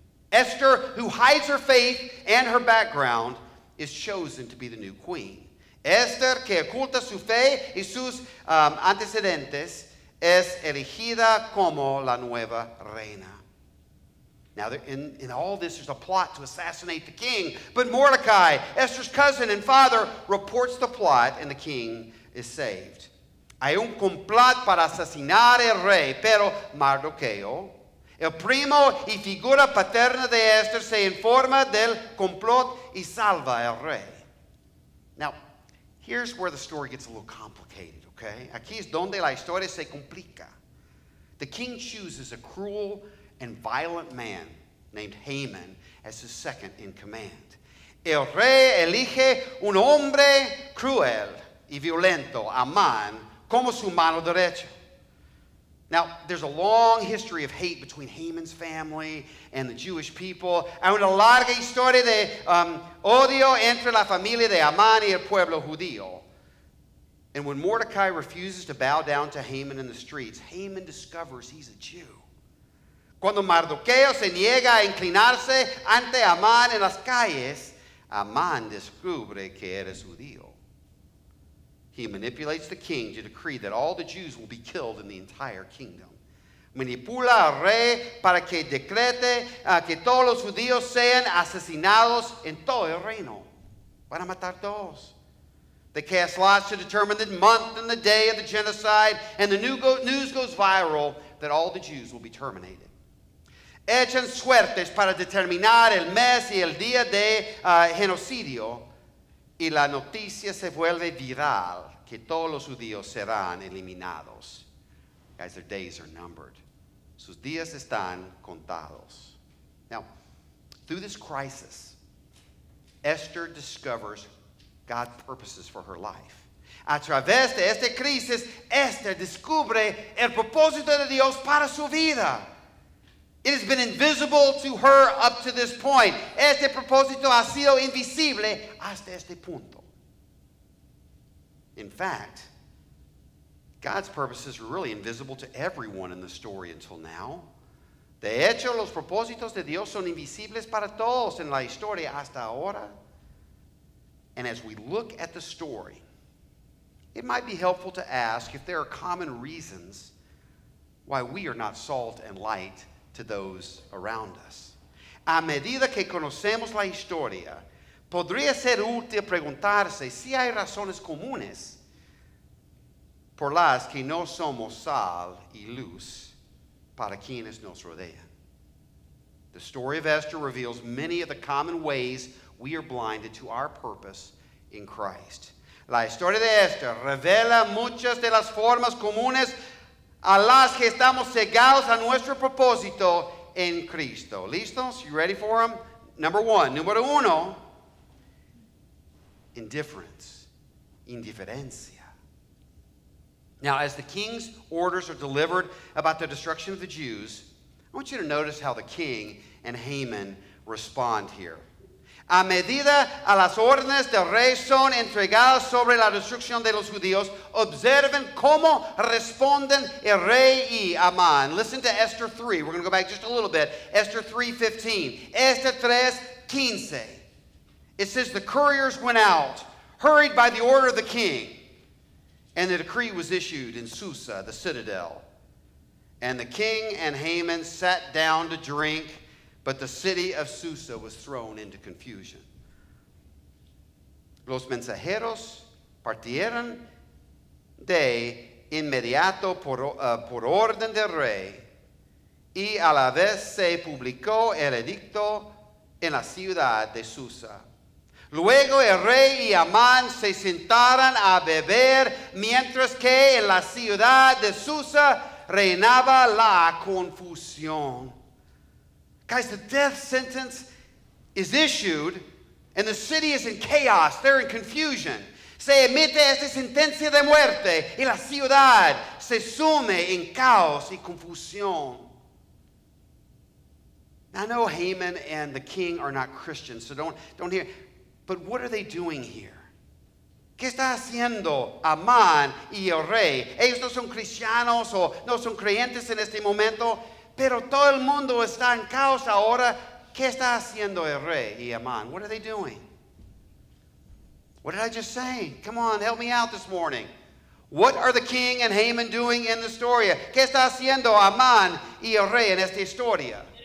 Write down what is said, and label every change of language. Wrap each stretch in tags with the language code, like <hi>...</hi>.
<en>Esther, who hides her faith and her background, is chosen to be the new queen.</en> <es>Esther, que oculta su fe y sus antecedentes, es elegida como la nueva reina.</es> <en>Now, in all this, there's a plot to assassinate the king. But Mordecai, Esther's cousin and father, reports the plot, and the king is saved.</en> <es>Hay un complot para asesinar el rey, pero Mardoqueo, el primo y figura paterna de Esther, se informa del complot y salva el rey.</es> <en>Now, here's where the story gets a little complicated, okay?</en> <es>Aquí es donde la historia se complica.</es> <en>The king chooses a cruel and violent man named Haman as his second in command.</en> <es>El rey elige un hombre cruel y violento, Amán, como su mano derecha.</es> <en>Now, there's a long history of hate between Haman's family and the Jewish people.</en> <es>Hay una larga historia de odio entre la familia de Amán y el pueblo judío.</es> <en>And when Mordecai refuses to bow down to Haman in the streets, Haman discovers he's a Jew.</en> <es>Cuando Mardoqueo se niega a inclinarse ante Amán en las calles, Amán descubre que eres judío.</es> <en>He manipulates the king to decree that all the Jews will be killed in the entire kingdom.</en> <es>Manipula al rey para que decrete que todos los judíos sean asesinados en todo el reino. Van a matar todos.</es> <en>They cast lots to determine the month and the day of the genocide, and the news goes viral that all the Jews will be terminated.</en> <es>Echan suertes para determinar el mes y el día de genocidio, y la noticia se vuelve viral que todos los judíos serán eliminados.</es> <en>Guys, their days are numbered.</en> <es>Sus días están contados.</es> <en>Now, through this crisis, Esther discovers God's purposes for her life.</en> <es>A través de esta crisis, Esther descubre el propósito de Dios para su vida.</es> <en>It has been invisible to her up to this point.</en> <es>Este propósito ha sido invisible hasta este punto.</es> <en>In fact, God's purposes were really invisible to everyone in the story until now.</en> <es>De hecho, los propósitos de Dios son invisibles para todos en la historia hasta ahora.</es> <en>And as we look at the story, it might be helpful to ask if there are common reasons why we are not salt and light to those around us.</en> <es>A medida que conocemos la historia, podría ser útil preguntarse si hay razones comunes por las que no somos sal y luz para quienes nos rodean.</es> <en>The story of Esther reveals many of the common ways we are blinded to our purpose in Christ.</en> <es>La historia de Esther revela muchas de las formas comunes a las que estamos cegados a nuestro propósito en Cristo. ¿Listos?</es> <en>You ready for them?</en> <es>Número uno, indiferencia.</es> <en>Now, as the king's orders are delivered about the destruction of the Jews, I want you to notice how the king and Haman respond here.</en> <es>A medida a las órdenes del rey son entregadas sobre la destrucción de los judíos, observen cómo responden el rey y Amán.</es> <en>Listen to Esther 3. We're going to go back just a little bit. Esther 3:15. Esther 3:15. It says the couriers went out, hurried by the order of the king. And the decree was issued in Susa, the citadel. And the king and Haman sat down to drink, but the city of Susa was thrown into confusion.</en> <es>Los mensajeros partieron de inmediato por orden del rey, y a la vez se publicó el edicto en la ciudad de Susa. Luego el rey y Amán se sentaron a beber, mientras que en la ciudad de Susa reinaba la confusión.</es> <en>Guys, the death sentence is issued, and the city is in chaos. They're in confusion.</en> <es>Se emite esta sentencia de muerte, y la ciudad se sume en caos y confusión.</es> <en>I know Haman and the king are not Christians, so don't hear. But what are they doing here?</en> <es>¿Qué está haciendo Amán y el rey? Ellos no son cristianos o no son creyentes en este momento, pero todo el mundo está en caos ahora. ¿Qué está haciendo el rey y Amán?</es> <en>What are they doing? What did I just say? Come on, help me out this morning. What are the king and Haman doing in the story?</en> <es>¿Qué está haciendo Amán y el rey en esta historia?</es>